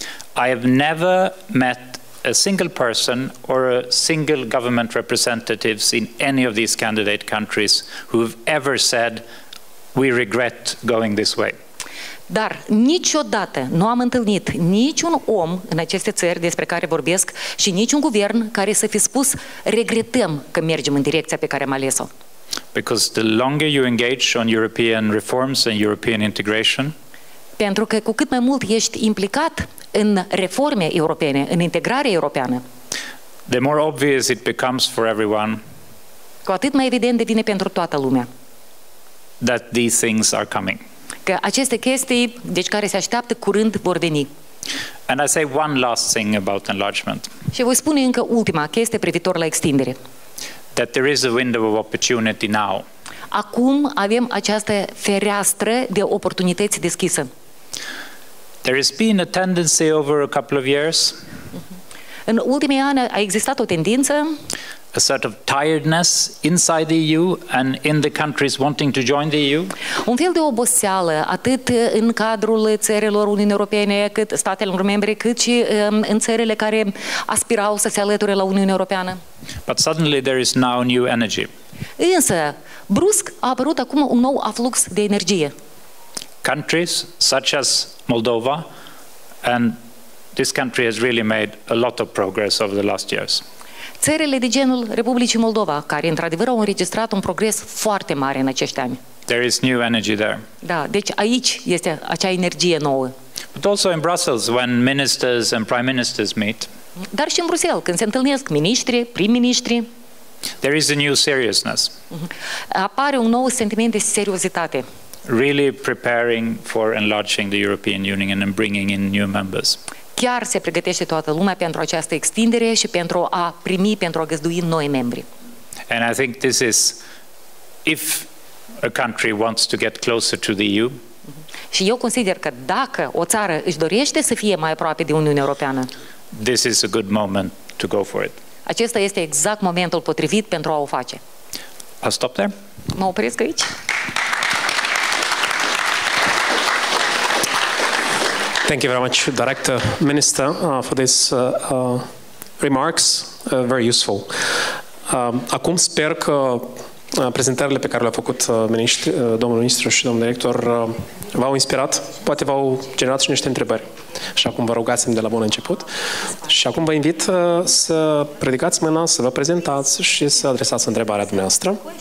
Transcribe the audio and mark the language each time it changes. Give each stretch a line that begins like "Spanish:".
English: I have never met a single person or a single government representatives in any of these candidate countries who've ever said we regret going this way.
Romanian: Dar niciodată nu am întâlnit niciun om în aceste țări despre care vorbesc și niciun guvern care să fi spus regretăm că mergem în direcția pe care am ales-o.
English: Because the longer you engage on European reforms and European integration,
Romanian: pentru că cu cât mai mult ești implicat în reforme europene, în integrare europeană,
English: the more obvious it becomes for everyone,
Romanian: cu atât mai evident devine pentru toată lumea,
English: that these things are coming.
Romanian: Că aceste chestii, deci care se așteaptă curând, vor veni.
English: And I say one last thing about enlargement.
Romanian: Și voi spune încă ultima chestie privitor la extindere.
English: That there is a window of opportunity now.
Romanian: Acum avem această fereastră de oportunități deschisă.
English: There has been a tendency over a couple of years.
Romanian: În ultimii ani a existat o tendință
English: a sort of tiredness inside the EU and in the countries wanting to join the EU?
Romanian: Un fel de oboseală atât în cadrul țărilor Uniunii Europene, cât statelor membre, cât și în țările care aspirau să se alăture la Uniunea Europeană.
English: But suddenly there is now new energy.
Romanian: Însă, brusc a apărut acum un nou aflux de energie.
English: Countries such as Moldova, and this country has really made a lot of progress over the last years.
Romanian: Țările de genul Republicii Moldova, care într-adevăr au înregistrat un progres foarte mare în acești ani.
English: There is new energy there.
Romanian: Da, deci aici este acea energie nouă.
English: But also in Brussels, when ministers and prime ministers meet.
Romanian: Dar și în Bruxelles, când se întâlnesc miniștri, prim-miniștri.
English: There is a new seriousness.
Romanian: Apare un nou sentiment de seriozitate.
English: Really preparing for enlarging the European Union and bringing in new members.
Romanian: Chiar se pregătește toată lumea pentru această extindere și pentru a primi, pentru a găzdui noi membri.
English: And I think this is, if a country wants to get closer to the EU.
Romanian: Și eu consider că dacă o țară își dorește să fie mai aproape de Uniunea Europeană,
English: this is a good moment to go for it.
Romanian: Acesta este exact momentul potrivit pentru a o face.
English: I'll stop there.
Romanian: Mă opresc aici.
English: Thank you very much, Director Minister, for this remarks, very useful.
Romanian: Acum sper că prezentările pe care le-a făcut domnul ministru și domnul director v-au inspirat, poate v-au generat și niște întrebări. Și acum vă rugați-mi de la bun început. Și acum vă invit să predicați mâna, să vă prezentați și să adresați întrebarea dumneavoastră.